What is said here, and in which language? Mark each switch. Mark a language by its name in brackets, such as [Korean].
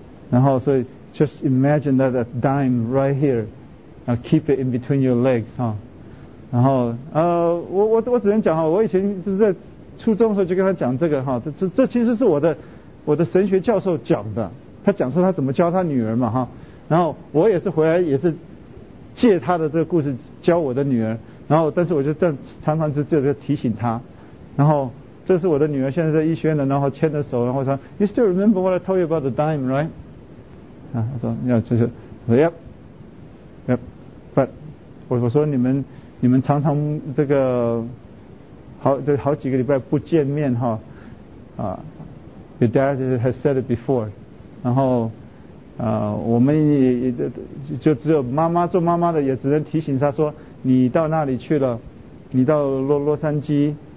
[Chinese] 然后所以 [English] just imagine that a dime right here， now keep it in between your legs [Chinese] 哈，然后我只能讲哈，我以前就是在初中的时候就跟他讲这个哈，这其实是我的神学教授讲的，他讲说他怎么教他女儿嘛哈，然后我也是回来也是借他的这个故事教我的女儿，然后但是我就这样常常就提醒他，然后。这是我的女儿，现在在医学院的，然后牵着手，然后说 ， [English] You still remember what I told you about the dime, right？ [Chinese] 啊，他说，要就是，我说 ， [English] Yep，But， [Chinese] 我说你们常常这个好几个礼拜不见面哈，啊 ， [English] Your dad has said it before， [Chinese] 然后，我们也就只有妈妈做妈妈的也只能提醒他说，你到那里去了，你到洛杉矶。